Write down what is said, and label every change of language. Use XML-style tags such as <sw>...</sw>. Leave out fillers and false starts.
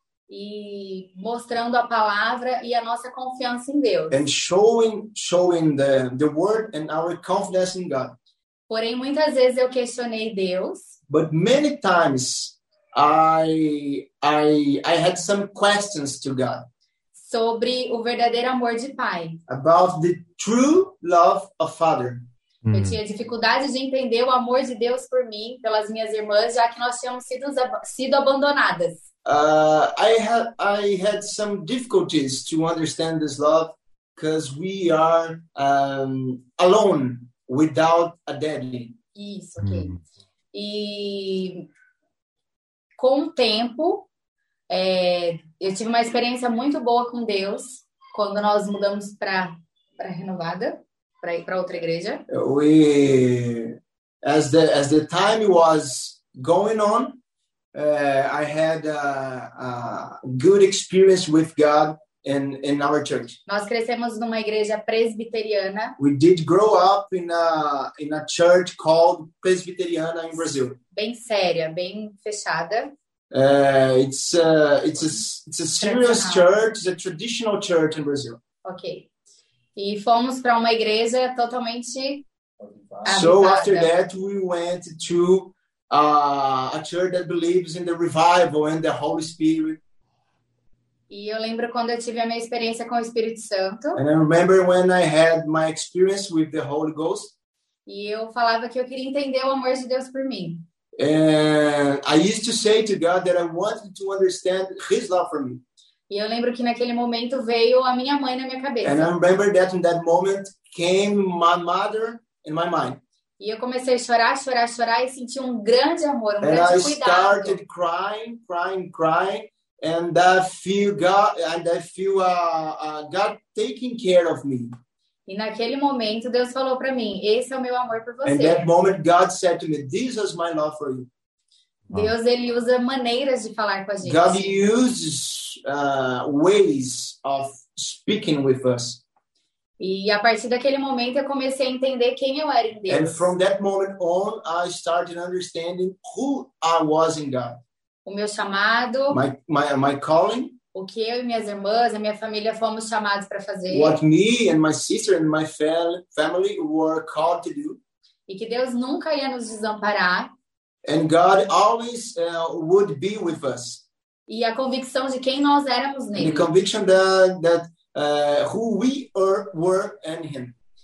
<pt>E mostrando a palavra e a nossa confiança em Deus.</pt> <en>And showing the word and our confidence in God.</en> <pt>Porém, muitas vezes eu questionei Deus.</pt> <en>But many times I had some questions to God.</en> <pt>Sobre o verdadeiro amor de pai.</pt> <en>About the true love of father.</en> <pt>Eu tinha dificuldade de entender o amor de Deus por mim, pelas minhas irmãs, já que nós tínhamos sido abandonadas.</pt> <en>I had some difficulties to understand this love because we are alone without a daddy.</en> <pt>Isso, ok. E com o tempo, eu tive uma experiência muito boa com Deus quando nós mudamos para Renovada, para ir para outra igreja.</pt> <en>We, as the time was going on, I had a good experience with God in our church.</en> <pt>Nós crescemos numa igreja presbiteriana.</pt> <en>We did grow up in a church called Presbiteriana in Brazil.</en> <pt>Bem séria, bem fechada.</pt> <en>It's a serious church, it's a traditional church in Brazil.</en> <pt>Ok. E fomos para uma igreja totalmente avivada.</pt> <en>So after that we went to a church that believes in the revival and the Holy Spirit.</en> <pt>E eu lembro quando eu tive a minha experiência com o Espírito Santo.</pt> <en>And I remember when I had my experience with the Holy Ghost.</en> <pt>E eu falava que eu queria entender o amor de Deus por mim.</pt> <en>And I used to say to God that I wanted to understand His love for me.</en> <pt>E eu lembro que naquele momento veio a minha mãe na minha cabeça.</pt> <en>And I remember that in that moment came my mother in my mind.</en> <pt>E eu comecei a chorar, chorar, chorar e senti um grande amor, um</pt> <en>and</en> <pt>grande</pt> <en>I</en> <pt>cuidado.</pt> <en>And I started crying, crying, crying, and I feel God, and I feel God taking care of me.</en> <pt>E naquele momento Deus falou para mim, esse é o meu amor por você.</pt> <en>And that moment God said to me, this is my love for you.</en> <pt>Deus, ele usa maneiras de falar com a gente.</pt> <en>God uses ways of speaking with us.</en> <pt>E a partir daquele momento eu comecei a entender quem eu era em Deus.</pt> <en>And from that moment on, I started understanding who I was in God.</en> <pt>O meu chamado.</pt> <en>My calling.</en> <pt>O que eu e minhas irmãs, a minha família fomos chamados para fazer.</pt> <en>What me and my sister and my family were called to do.</en> <pt>E que Deus nunca ia nos desamparar.</pt> <en>And God always would be with us.</en> <pt>E a convicção de quem nós éramos nele.</pt> <en>And the conviction that who we were and Him.</en>